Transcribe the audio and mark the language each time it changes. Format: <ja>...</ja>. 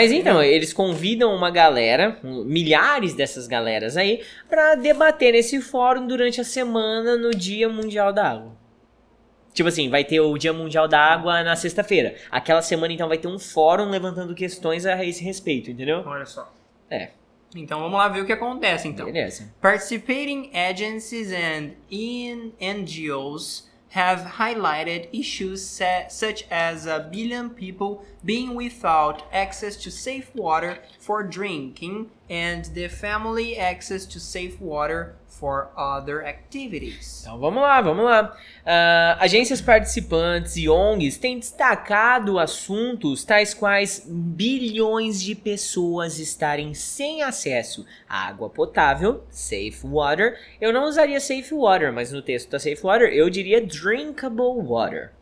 <pt>Mas então, eles convidam uma galera, milhares dessas galeras aí, para debater nesse fórum durante a semana no Dia Mundial da Água. Tipo assim, vai ter o Dia Mundial da Água na sexta-feira. Aquela semana, então, vai ter um fórum levantando questões a esse respeito, entendeu? Olha só. É. Então, vamos lá ver o que acontece, então. Beleza.</pt> <en>Participating agencies and NGOs have highlighted issues such as 1 billion people being without access to safe water for drinking and the family access to safe water for other activities.</en> <pt>Então vamos lá, vamos lá. Agências participantes e ONGs têm destacado assuntos tais quais bilhões de pessoas estarem sem acesso à água potável, safe water. Eu não usaria safe water, mas no texto da safe water eu diria drinkable water.</pt>